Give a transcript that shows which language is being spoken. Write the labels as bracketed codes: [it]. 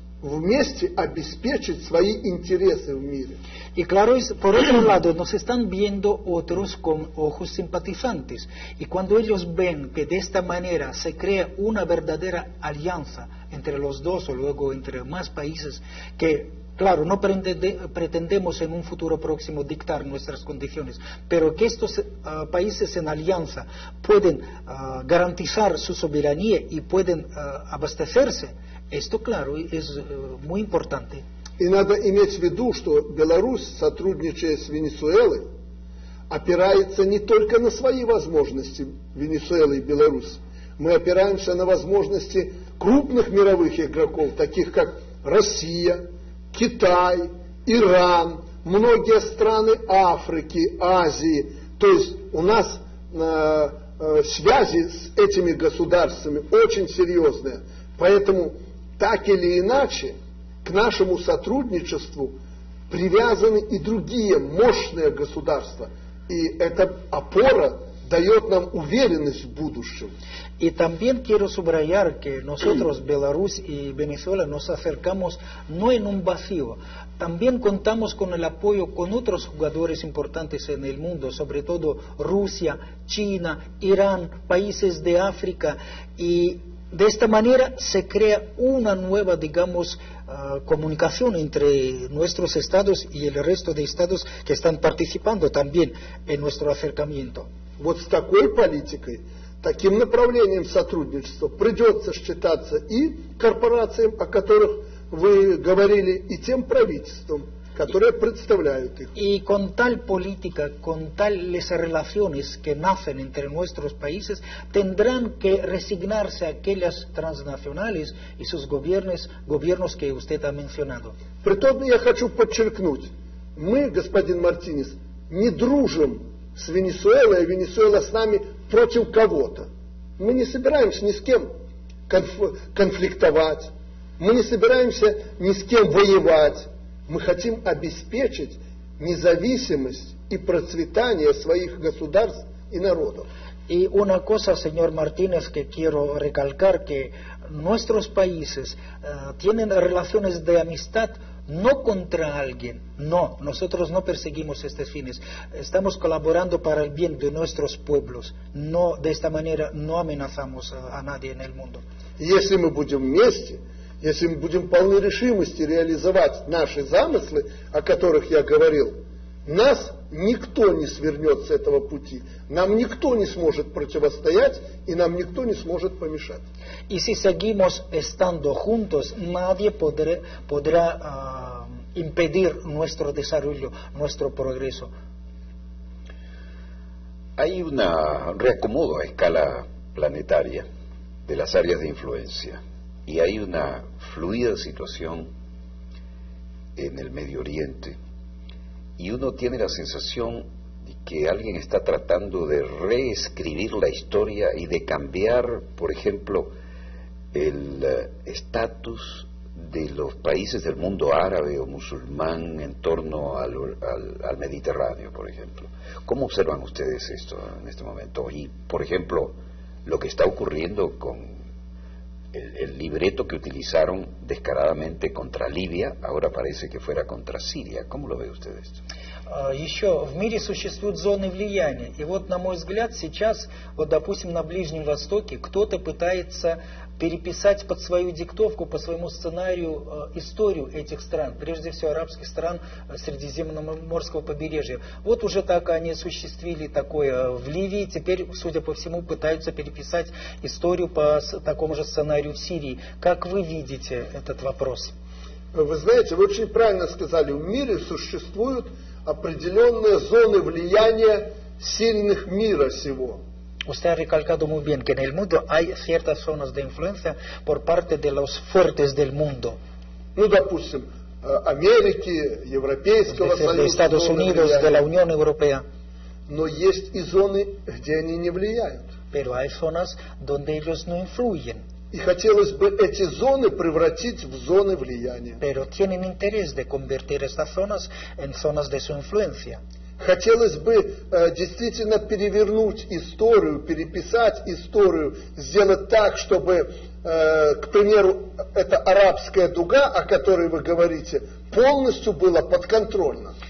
[ru] вместе обеспечить свои интересы в мире. [es] Y claro, es, por otro lado, nos están viendo otros con ojos simpatizantes. Y cuando ellos ven que de esta manera se crea una verdadera alianza entre los dos o luego entre más países, que claro, no pretendemos en un futuro próximo dictar nuestras condiciones, pero que estos países en alianza pueden garantizar su soberanía y pueden abastecerse, esto claro, es muy importante. [ru] И надо иметь в виду, что Беларусь, сотрудничая с Венесуэлой, опирается не только на свои возможности, Венесуэлы и Беларусь. Мы опираемся на возможности крупных мировых игроков, таких как Россия, Китай, Иран, многие страны Африки, Азии. То есть у нас связи с этими государствами очень серьезные. Поэтому так или иначе, к нашему сотрудничеству привязаны и другие мощные государства. И эта опора дает нам уверенность в будущем. [es] И también quiero subrayar que nosotros, [ru] Беларусь и Венесуэла, [es] nos acercamos no en un vacío. También contamos con el apoyo con otros jugadores importantes en el mundo, sobre todo Rusia, China, Irán, países de África. Y de esta manera se crea una nueva, digamos, comunicación entre nuestros estados y el resto de estados que están participando también en nuestro acercamiento. [ru] Вот с такой политикой, таким направлением сотрудничества придется считаться и корпорациям, о которых вы говорили, и тем правительствам, которые представляют их. [es] И con tal política, con tales relaciones que nacen entre nuestros países, tendrán que resignarse aquellas transnacionales y sus gobiernos que usted ha mencionado. [ru] Притом я хочу подчеркнуть, мы, господин Мартинес, не дружим с Венесуэлой, а Венесуэла с нами против кого-то. Мы не собираемся ни с кем конфликтовать, мы не собираемся ни с кем воевать. Мы хотим обеспечить независимость и процветание своих государств и народов. [es] И una cosa, señor Martínez, que quiero recalcar, que nuestros países tienen relaciones de amistad no contra alguien, no, nosotros no perseguimos estos fines. Estamos colaborando para el bien de nuestros pueblos, no, de esta manera no amenazamos a nadie en el mundo. [ru] Если мы будем вместе, если мы будем полны решимости реализовать наши замыслы, о которых я говорил, нас никто не свернет с этого пути, нам никто не сможет противостоять и нам никто не сможет помешать. [es] И si seguimos estando juntos, nadie podrá impedir nuestro desarrollo, nuestro progreso. Hay un reacomodo a escala planetaria de las áreas de influencia. Y hay una fluida situación en el Medio Oriente y uno tiene la sensación de que alguien está tratando de reescribir la historia y de cambiar, por ejemplo, el estatus de los países del mundo árabe o musulmán en torno al Mediterráneo, por ejemplo. ¿Cómo observan ustedes esto en este momento? Y, por ejemplo, lo que está ocurriendo con el libreto que utilizaron descaradamente contra Libia, ahora parece que fuera contra Siria. ¿Cómo lo ve usted esto? [ru] Еще в мире существуют зоны влияния. И вот, на мой взгляд, сейчас, вот, допустим, на Ближнем Востоке кто-то пытается переписать под свою диктовку, по своему сценарию историю этих стран, прежде всего арабских стран Средиземноморского побережья. Вот уже так они осуществили такое в Ливии, теперь, судя по всему, пытаются переписать историю по такому же сценарию в Сирии. Как вы видите этот вопрос? Вы знаете, вы очень правильно сказали, в мире существуют определенные зоны влияния сильных мира сего. [es] Usted ha recalcado muy bien que en el mundo hay ciertas zonas de influencia por parte de los fuertes del mundo. [ru] Ну, допустим, Америки, Европейского Союза, [es] Estados Unidos, de la Unión Europea. [ru] Но есть и зоны, где они не влияют. [es] Pero hay zonas donde ellos no influyen. [ru] И хотелось бы эти зоны превратить в зоны влияния. [es] Pero tienen interés de convertir estas zonas en zonas de su influencia. [ru] Хотелось бы действительно перевернуть историю, переписать историю, сделать так, чтобы к примеру, эта арабская дуга, о которой вы говорите, полностью была подконтрольна.